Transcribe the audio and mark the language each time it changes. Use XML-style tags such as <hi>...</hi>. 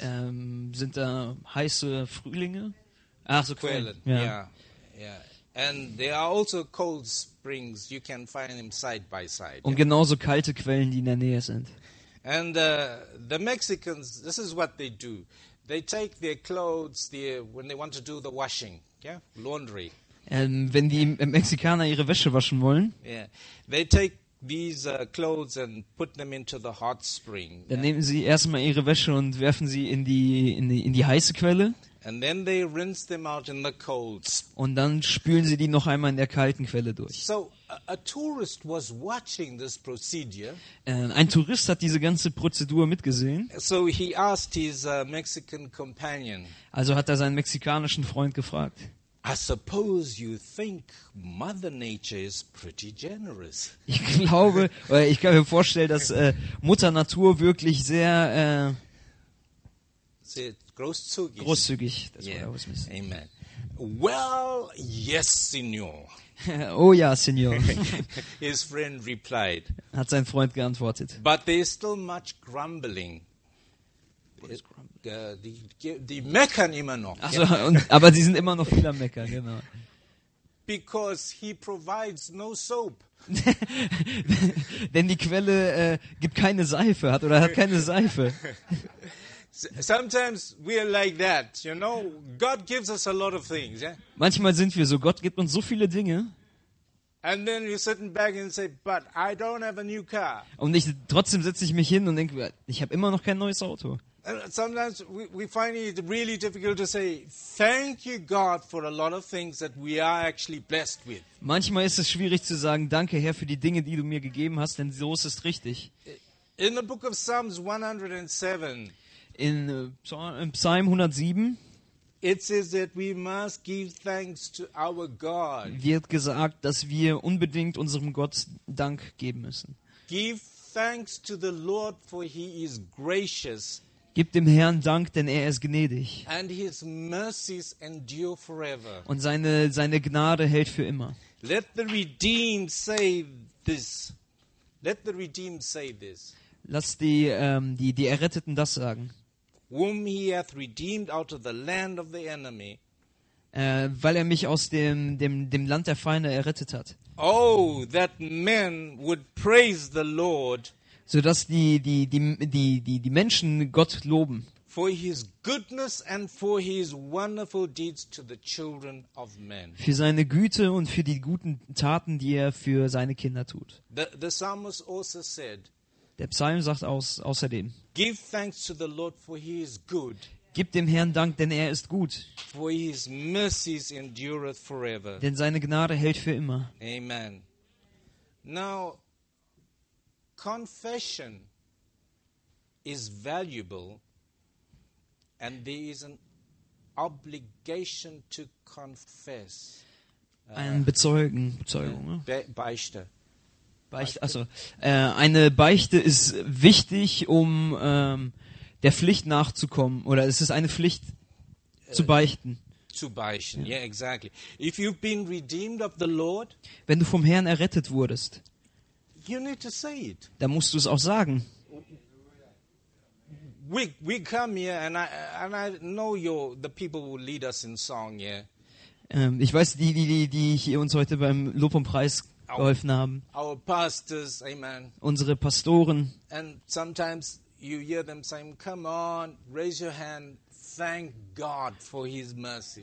<de>Sind da heiße Frühlinge? Ach so, Quellen. Ja.</de> <en>And there are also cold springs. You can find them side by side.</en> <de>Und genauso kalte Quellen, die in der Nähe sind.</de> <en>And the Mexicans, this is what they do. They take their clothes there when they want to do the washing, yeah, laundry.</en> <de>Wenn die Mexikaner ihre Wäsche waschen wollen.</de> <en>Yeah, they take these clothes and put them into the hot spring.</en> <de>Dann nehmen sie erstmal ihre Wäsche und werfen sie in die heiße Quelle.</de> <en>And then they rinse them out in the cold.</en> <de>Und dann spülen sie die noch einmal in der kalten Quelle durch.</de> <en>So, a tourist was watching this procedure.</en> <de>Ein Tourist hat diese ganze Prozedur mitgesehen.</de> <en>So he asked his Mexican companion.</en> <de>Also hat er seinen mexikanischen Freund gefragt.</de> <en>I suppose you think Mother Nature is pretty generous.</en> <de>Ich glaube, ich kann mir vorstellen, dass Mutter Natur wirklich sehr, sehr großzügig. Großzügig. Das</de> <en>yeah.</en> <de>war was mit.</de> <en>Amen. Well, yes, Señor.</en> <de>Oh ja, Señor.</de> <en>His friend replied.</en> <de>Hat sein Freund geantwortet.</de> <en>But there is still much grumbling.</en> <de>Die meckern immer noch. Also, ja. Und, aber die sind immer noch viel am Meckern, genau.</de> <en>Because he provides no soap.</en> <de>Denn die Quelle gibt keine Seife, hat oder hat keine Seife.</de> <en>Sometimes we are like that, you know. God gives us a lot of things. Yeah?</en> <de>Manchmal sind wir so. Gott gibt uns so viele Dinge.</de> <en>And then you sit back and say, but I don't have a new car.</en> <de>Und ich, trotzdem setze ich mich hin und denke, ich habe immer noch kein neues Auto.</de> <en>Sometimes we find it really difficult to say thank you God for a lot of things that we are actually blessed with.</en> <de>Manchmal ist es schwierig zu sagen danke Herr für die Dinge die du mir gegeben hast, denn so ist es richtig.</de> <en>In the book of Psalms 107</en> <de>in Psalm 107</de> <en>it says that we must give thanks to our God.</en> <de>Wird gesagt, dass wir unbedingt unserem Gott Dank geben müssen.</de> <en>Give thanks to the Lord for he is gracious.</en> <de>Gib dem Herrn Dank, denn er ist gnädig.</de> <en>And his mercies endure forever.</en> <de>Und seine Gnade hält für immer.</de> <en>Let the redeemed say this. Let the redeemed say this.</en> <de>Lass die Erretteten das sagen.</de> <en>Whom he hath redeemed out of the land of the enemy.</en> <de>Weil er mich aus dem Land der Feinde errettet hat.</de> <en>Oh, that men would praise the Lord.</en> <de>Sodass die Menschen Gott loben.</de> <en>For his goodness and for his wonderful deeds to the children of men.</en> <de>Für seine Güte und für die guten Taten, die er für seine Kinder tut.</de> <en>The psalmist also said.</en> <de>Der Psalm sagt außerdem.</de> <en>Give thanks to the Lord for he is good.</en> <de>Gib dem Herrn Dank, denn er ist gut.</de> <en>For his mercies endureth forever.</en> <de>Denn seine Gnade hält für immer.</de> <en>Amen. Now. Confession is valuable and there is an obligation to confess.</en> <de>Ein Bezeugen, Bezeugung, ne? Beichte. Beichte. Also, eine Beichte ist wichtig, um der Pflicht nachzukommen. Oder es ist eine Pflicht, zu beichten. Zu beichten, ja,</de> <en>yeah, exactly. If you've been redeemed of the Lord,</en> <de>wenn du vom Herrn errettet wurdest,</de> <en>you need to say it.</en> <de>Da musst du es auch sagen.</de> <en>We come here and I know your the people who lead us in song, yeah.</en> <de>Ich weiß die hier uns heute beim Lob und Preis geholfen haben.</de> <en>Our pastors, amen.</en> <de>Unsere Pastoren.</de> <en>And sometimes you hear them saying, "Come on, raise your hand, thank God for His mercy."</en>